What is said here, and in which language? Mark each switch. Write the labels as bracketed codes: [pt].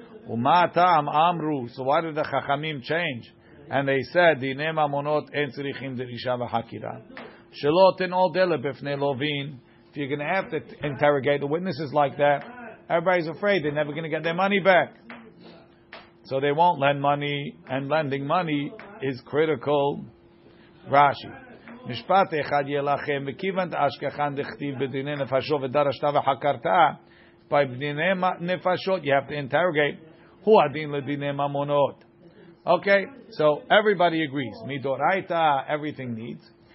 [he] ומה הטעם אמרו, [en] so what did the חכמים change? And they said, [he] דיני ממונות אין צריכים דרישה וחקירה. שלא תנעול דלת בפני לווין. [en] If you're going to have to interrogate the witnesses like that, everybody's afraid they're never going to get their money back. So they won't lend money, and lending money is critical. Rashi. [he] משפט אחד יהיה לכם, וכיוון אשכחן דכתיב בדיני נפשות ודרשת וחקרת, by בדיני נפשות, you have to interrogate, הוא הדין לדיני ממונות. [en] Okay, so everybody agrees. מדורייתא, everything needs.